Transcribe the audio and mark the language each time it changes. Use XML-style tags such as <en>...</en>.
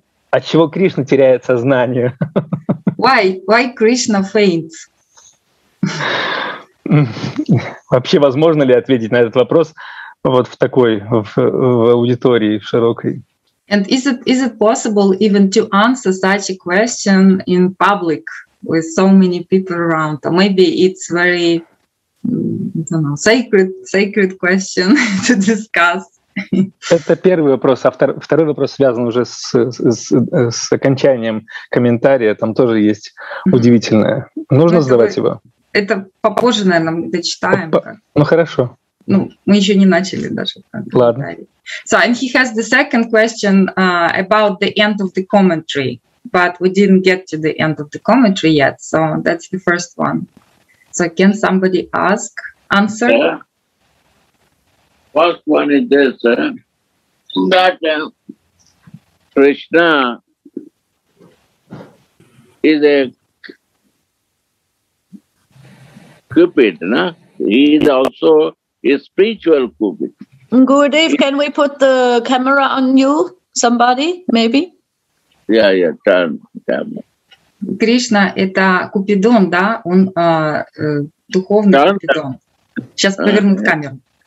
<ru>От чего Кришна теряет сознание?</ru> <en>Why Krishna faints?</en> <ru>Вообще возможно ли ответить на этот вопрос вот в такой в аудитории широкой?</ru> <en>And is it possible even to answer such a question in public? With so many people around, or maybe it's very, I don't know, sacred question to discuss.</en> <ru>Это первый вопрос, а второй вопрос связан уже с окончанием комментария. Там тоже есть удивительное. Нужно задавать его. Это попозже, наверное, мы дочитаем. Ну хорошо. Ну, мы еще не начали даже. Ладно.</ru> <en>So, and he has the second question about the end of the commentary. But we didn't get to the end of the commentary yet, so that's the first one. So can somebody ask, answer? First one is this, that Krishna is a cupid, no? He is also a spiritual cupid. Gurudev, can we put the camera on you, somebody, maybe?</en> <ru>Я там. Кришна — это Купидон, да? Он духовный там, Купидон. Сейчас повернут камеру.</ru>